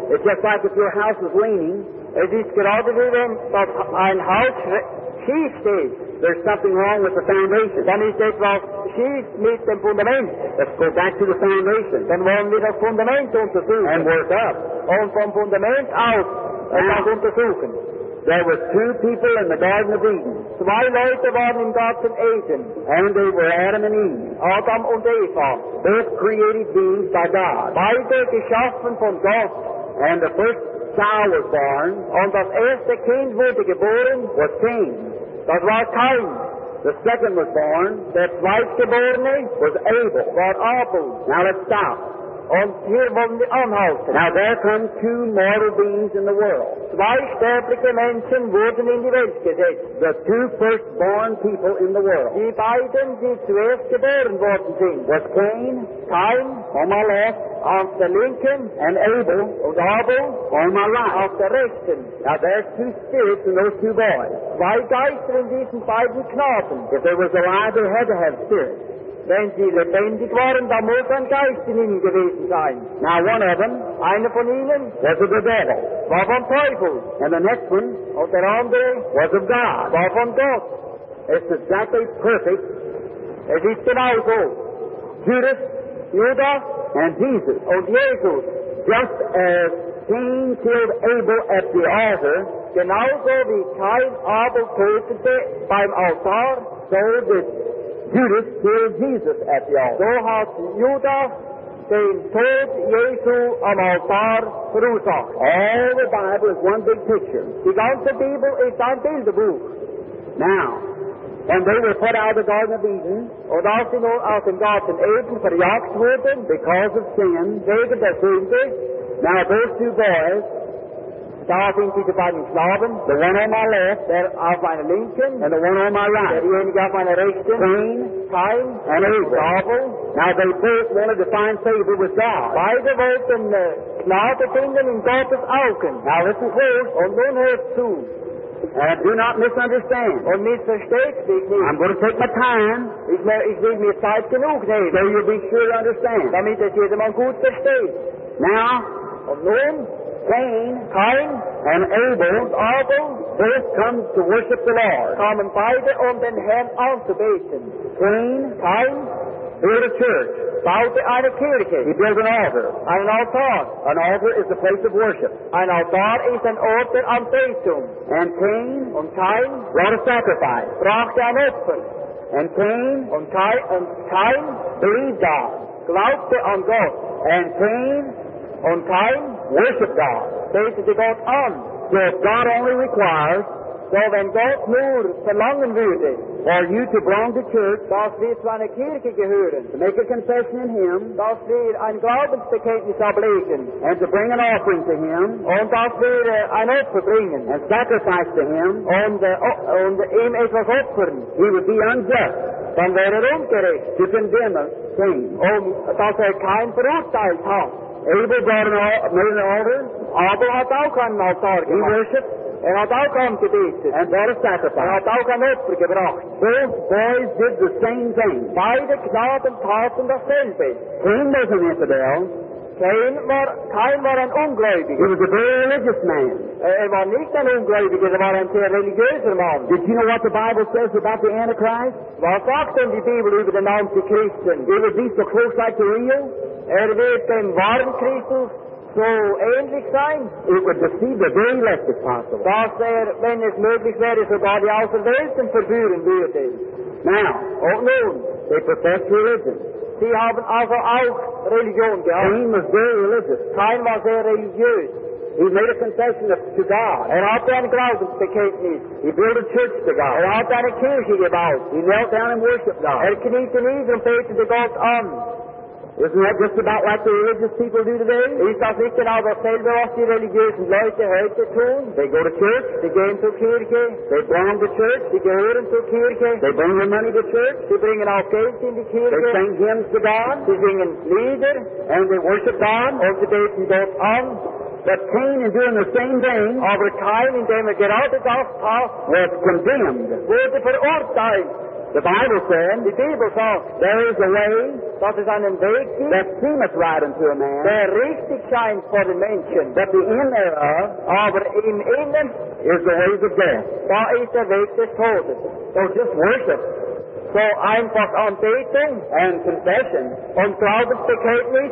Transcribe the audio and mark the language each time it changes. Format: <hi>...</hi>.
<en>It's just like if your house is leaning.</en> <de>Es ist gerade wie wenn das ein Haus schief steht.</de> <en>There's something wrong with the foundation.</en> <de>Dann ist etwas schief mit dem Fundament.</de> <en>Let's go back to the foundation.</en> <de>Dann wollen wir das Fundament untersuchen.</de> <en>And work up.</en> <de>Und vom Fundament aus etwas untersuchen.</de> <en>There were two people in the Garden of Eden.</en> <de>Zwei Leute waren im Garten Eden.</de> <en>And they were Adam and Eve.</en> <de>Adam und Eva.</de> <en>Both created beings by God.</en> <de>Beide geschaffen von Gott.</de> <en>And the first child was born.</en> <de>Und das erste Kind wurde geboren.</de> <en>Was Cain.</en> <de>Das war Cain.</de> <en>The second was born.</en> <de>Der zweite geborene</de> <en>was Abel.</en> <de>War Abel.</de> <en>Now let's stop.</en> <de>Und hier wollen wir anhalten.</de> <en>Now there come two mortal beings in the world.</en> <de>Zwei sterbliche Menschen wurden in die Welt gesetzt.</de> <en>The two firstborn people in the world.</en> <de>Die beiden, die zuerst geboren worden sind.</de> <en>Was Cain.</en> <de>Cain.</de> <en>On my left.</en> <de>Auf der linken.</de> <en>And Abel.</en> <de>Und Abel.</de> <en>On my right.</en> <de>Auf der rechten.</de> <en>Now there's two spirits in those two boys.</en> <de>Zwei Geister in diesen beiden Knaben.</de> <en>If there was alive, they had to have spirits.</en> <de>Wenn sie lebendig waren, dann muss ein Geist in ihnen gewesen sein.</de> <en>Now one of them,</en> <de>einer von ihnen,</de> <en>was of the devil,</en> <de>war vom Teufel.</de> <en>And the next one,</en> <de>und der andere,</de> <en>was of God,</en> <de>war von Gott.</de> <en>It's exactly perfect.</en> <de>Es ist genau so.</de> <en>Judas,</en> <de>Judas,</de> <en>and Jesus,</en> <de>und Jesus,</de> <en>just as Cain killed Abel at the altar,</en> <de>genau so wie Cain Abel tötete beim Altar,</de> <en>so did Judas killed Jesus at the altar.</en> <de>So hat Judas den Tod Jesu am Altar verursacht.</de> <en>All the Bible is one big picture.</en> <de>Die ganze Bibel ist ein Bilderbuch.</de> <en>Now, when they were put out of the Garden of Eden,</en> <de>und als sie nun aus dem Garten Eden verjagt wurden,</de> <en>because of sin,</en> <de>wegen der Sünde,</de> <en>now those two boys,</en> <de>da sind diese beiden Knaben,</de> <en>the one on my left,</en> <de>der auf meiner linken,</de> <en>and the one on my right,</en> <de>derjenige auf meiner rechten,</de> <en>Cain, and Abel. Now they both wanted to find favor with God.</en> <de>Beide wollten Gnade finden in Gottes Augen.</de> <en>Now listen first,</en> <de>und nun hörst du.</de> <en>Do not misunderstand.</en> <de>Und missversteht mich nicht.</de> <en>I'm going to take my time.</en> <de>Ich will mir Zeit genug nehmen.</de> <en>So you'll be sure to understand.</en> <de>Damit es jedermann gut versteht.</de> <en>Now,</en> <de>und nun,</de> <en>Cain and Abel both come to worship the Lord.</en> <de>Kamen beide um den Herrn anzubeten.</de> <en>Cain build a church.</en> <de>Baute eine Kirche.</de> <en>He built an altar.</en> <de>Ein Altar.</de> <en>An altar is a place of worship.</en> <de>Ein Altar ist ein Ort der Anbetung.</de> <en>And Cain</en> <de>und Kain</de> <en>brought a sacrifice.</en> <de>Brachte ein Opfer.</de> <en>And Cain</en> <de>und Kain</de> <en>believed God.</en> <de>Glaubte an Gott.</de> <en>And Cain</en> <de>und Kain</de> <en>worshiped God.</en> <de>Betete Gott an.</de> <en>So if God only requires,</en> <de>so wenn Gott nur verlangen würde,</de> <en>for you to belong to church,</en> <de>dass wir zu einer Kirche gehören,</de> <en>to make a confession in Him,</en> <de>dass wir ein Glaubensbekenntnis ablegen,</de> <en>and to bring an offering to Him,</en> <de>und dass wir ein Opfer bringen,</de> <en>and sacrifice to Him,</en> <de>und ihm etwas opfern,</de> <en>He would be unjust,</en> <de>dann wäre er ungerecht,</de> <en>to condemn a thing,</en> <de>dass er kein verurteilt hat.</de> <en>Abel made an altar.</en> <de>Abel hat auch einen Altar gemacht.</de> <en>He worshipped.</en> <de>Er hat auch einen gebetet.</de> <en>And brought a sacrifice.</en> <de>Er hat auch ein Opfer gebracht.</de> <en>Both boys did the same thing.</en> <de>Beide Knaben taten dasselbe.</de> <en>Cain was an infidel.</en> <de>Cain war ein Ungläubiger.</de> <en>He was a very religious man.</en> <de>Er war nicht ein Ungläubiger, er war ein sehr religiöser Mann.</de> <en>Did you know what the Bible says about the Antichrist?</en> <de>Was sagt denn die Bibel über den Antichristen?</de> <en>It would be so close like the real.</en> <de>Er wird dem wahren Christus so ähnlich sein.</de> <en>It would deceive the very elect if possible.</en> <de>Dass er, wenn es möglich wäre, sogar die Auserwählten verführen würde.</de> <en>Now,</en> <de>und nun,</de> <en>they profess religion.</en> <de>Sie haben also auch Religion gehabt.</de> <en>Cain was very religious.</en> <de>Cain war sehr religiös.</de> <en>He made a confession to God.</en> <de>Er hat ein Glaubensbekenntnis.</de> <en>He built a church to God.</en> <de>Er hat eine Kirche gebaut.</de> <en>He knelt down and worshipped God.</en> <de>Er kniete nieder und betete Gott an.</de> <en>Isn't that just about like the religious people do today?</en> <de>Ist das nicht genau dasselbe, was die religiösen Leute heute tun?</de> <en>They go to church.</en> <de>Sie gehen zur Kirche.</de> <en>They belong to church.</en> <de>Sie gehören zur Kirche.</de> <en>They bring their money to church.</en> <de>Sie bringen auch Geld in die Kirche.</de> <en>They sing hymns to God.</en> <de>Sie singen Lieder.</de> <en>And they worship God.</en> <de>Und sie beten Gott an.</de> <en>But Cain is doing the same thing.</en> <de>Aber Cain, indem er gerade das tat,</de> <en>was condemned.</en> <de>Wurde verurteilt.</de> <en>The Bible said,</en> <de>die Bibel sagt,</de> <en>there is a way,</en> <de>das ist einen Weg,</de> <en>that seemeth right unto a man,</en> <de>der richtig scheint vor den Menschen,</de> <en>but the end thereof,</en> <de>aber im Innen,</de> <en>is the way of death.</en> <de>Da ist der Weg des Todes.</de> <en>So just worship.</en> <de>So einfach anbeten</de> <en>and confession</en> <de>und Glaubensbekenntnis</de>